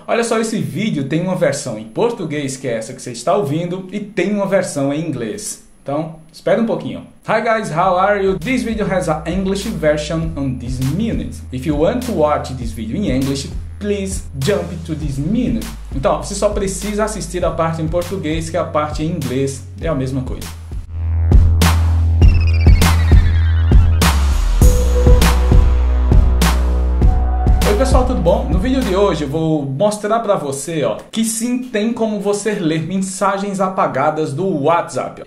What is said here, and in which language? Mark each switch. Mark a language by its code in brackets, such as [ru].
[pt] Olha só, esse vídeo tem uma versão em português, que é essa que você está ouvindo, e tem uma versão em inglês. Então, espera um pouquinho. [en] Hi guys, how are you? This video has an English version on this minute. If you want to watch this video in English, please jump to this minute. [pt] Então, você só precisa assistir a parte em português, que a parte em inglês é a mesma coisa. Pessoal, tudo bom? No vídeo de hoje eu vou mostrar para você, ó, que sim, tem como você ler mensagens apagadas do WhatsApp.